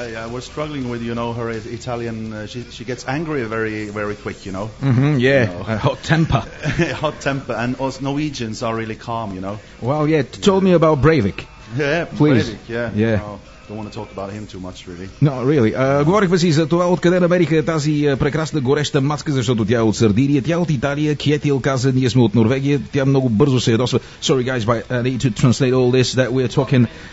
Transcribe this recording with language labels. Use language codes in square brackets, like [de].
[en] We're struggling with, you know, her Italian. She gets angry very, very quick, you know. Mm-hmm, yeah, you know. Hot temper. And us Norwegians are really calm, you know. Well, yeah. Tell me about Breivik. Yeah, please. Breivik. Don't want to talk about him too much, really. No, really. [bg] Говорихме си за това, откъде намериха тази прекрасна гореща маска, защото тя е от Сърдиния, тя е от Италия, Кетил каза, ние сме от Норвегия, тя много бързо се ядосва. [en] Sorry, guys, but I need to translate all this that we're talking.